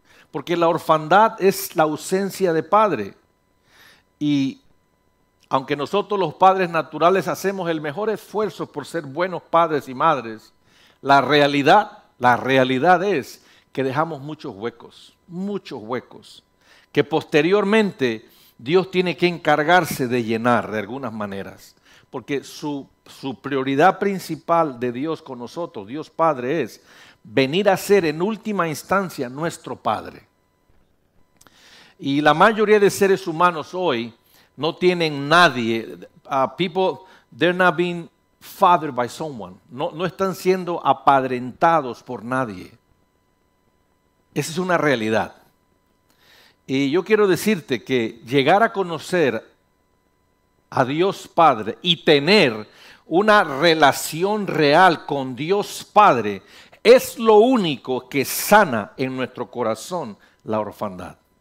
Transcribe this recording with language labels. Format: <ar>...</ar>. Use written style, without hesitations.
<es>Porque la orfandad es la ausencia de padre. Y aunque nosotros los padres naturales hacemos el mejor esfuerzo por ser buenos padres y madres, la realidad es que dejamos muchos huecos, que posteriormente Dios tiene que encargarse de llenar de algunas maneras. Porque su prioridad principal de Dios con nosotros, Dios Padre, es venir a ser en última instancia nuestro Padre. Y la mayoría de seres humanos hoy no tienen nadie.</es> <en>People, they're not being fathered by someone.</en> <es>No están siendo apadrentados por nadie. Esa es una realidad. Y yo quiero decirte que llegar a conocer a Dios Padre y tener una relación real con Dios Padre es lo único que sana en nuestro corazón la orfandad.</es>